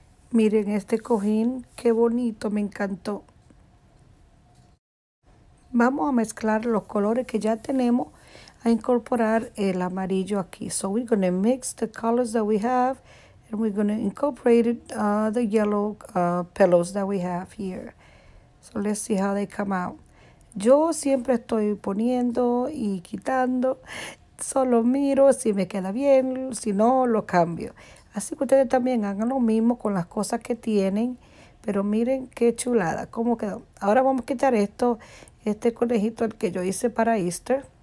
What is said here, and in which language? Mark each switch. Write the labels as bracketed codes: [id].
[es] Miren este cojín, qué bonito, me encantó. Vamos a mezclar los colores que ya tenemos, a incorporar el amarillo aquí. [en] So we're gonna mix the colors that we have and we're gonna incorporate the yellow pillows that we have here. So let's see how they come out. [es] Yo siempre estoy poniendo y quitando, solo miro si me queda bien, si no lo cambio. Así que ustedes también hagan lo mismo con las cosas que tienen. Pero miren qué chulada, cómo quedó. Ahora vamos a quitar esto, este conejito el que yo hice para Easter.